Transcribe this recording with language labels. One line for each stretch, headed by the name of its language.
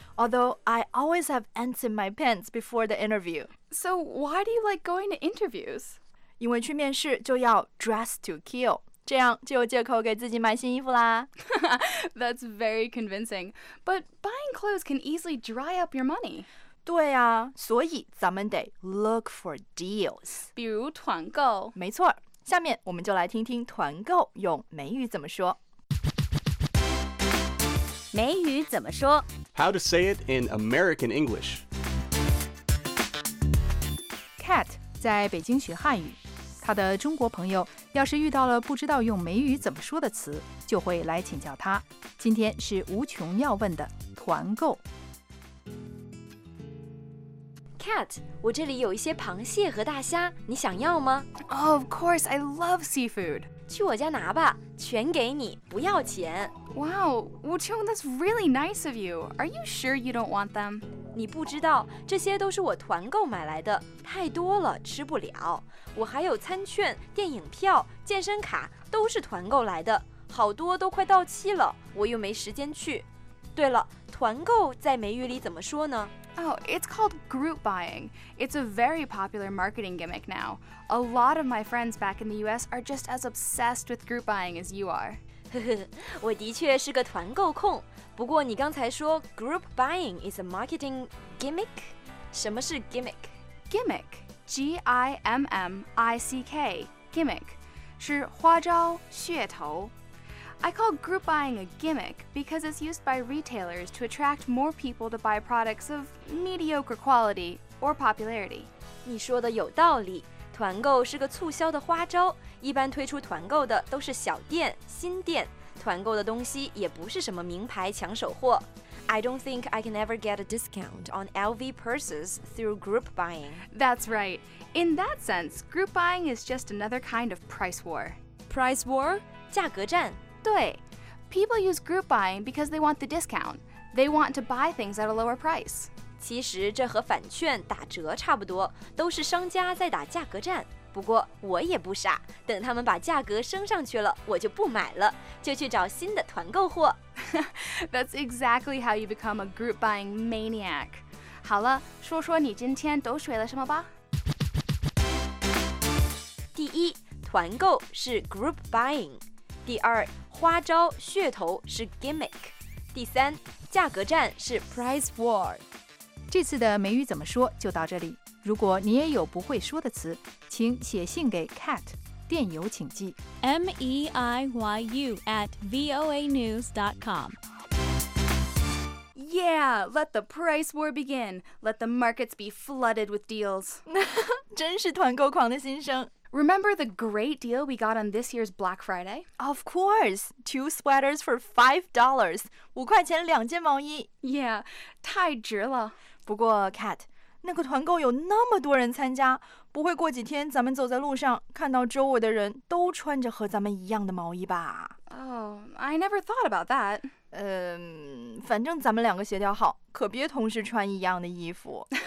English: Although I always have ants in my pants before the interview. So why do you like going to interviews?
Chinese: 因为去面试就要
English: dress to kill，
Chinese: 这样就有借口给自己买新衣服啦。
English: That's very convincing. But buying clothes can easily dry up your money.
Chinese: 对啊，所以咱们得
English: look for deals，
Chinese: 比如团购。没错，下面我们就来听听团购用美语怎么说。美语怎么说
English: ？How to say it in American English?
Chinese: Cat 在北京学汉语，他的中国朋友要是遇到了不知道用美语怎么说的词，就会来请教他。今天是无穷要问的团购。 Cat， 我这里有一些螃蟹和大虾，你想要吗
English: ？Of course, I love seafood.
Chinese: 去我家拿吧，全给你，不要钱。
English: Wow, Wuqiong, that's really nice of you. Are you sure you don't want them?
Chinese: 你不知道，这些都是我团购买来的，太多了，吃不了。我还有餐券、电影票、健身卡，都是团购来的，好多都快到期了，我又没时间去。对了，团购在美语里怎么说呢？
English: Oh, it's called group buying. It's a very popular marketing gimmick now. A lot of my friends back in the US are just as obsessed with group buying as you are.
Chinese: 我的确是个团购控。不过你刚才说
English: group buying is a marketing gimmick?
Chinese: 什么是 gimmick?
English: Gimmick, G-I-M-M-I-C-K, gimmick,
Chinese: 是花招、噱头。
English: I call group buying a gimmick because it's used by retailers to attract more people to buy products of mediocre quality or popularity.
Chinese: 你说的有道理，团购是个促销的花招，一般推出团购的都是小店、新店，团购的东西也不是什么名牌抢手货。
English: I don't think I can ever get a discount on LV purses through group buying. That's right. In that sense, group buying is just another kind of price war. Price war?
Chinese: 价格战。对，
English: people use group buying because they want the discount. They want to buy things at a lower price.
Chinese: 其实这和返券打折差不多，都是商家在打价格战。不过我也不傻，等他们把价格升上去了，我就不买了，就去找新的团购货。
English: That's exactly how you become a group buying maniac.
Chinese: 好了，说说你今天都学了什么吧。第一，团购是 group buying。第二，花招噱头是 gimmick。第三，价格战是 price war。这次的美语怎么说就到这里，如果你也有不会说的词，请写信给 Cat， 电邮请寄
English: meiyu@voanews.com。 Yeah, let the price war begin. Let the markets be flooded with deals.
Chinese: 真是团购狂的心声。
English: Remember the great deal we got on this year's Black Friday? Of course! 2 sweaters for $5,
Chinese: 5块钱两件毛衣。 Yeah, 太值了。不过 Kat, 那个团购有那么多人参加，不会过几天咱们走在路上，看到周围的人都穿着和咱们一样的毛衣吧？
English: Oh, I never thought about that.
Chinese: 反正咱们两个协调好，可别同时穿一样的衣服。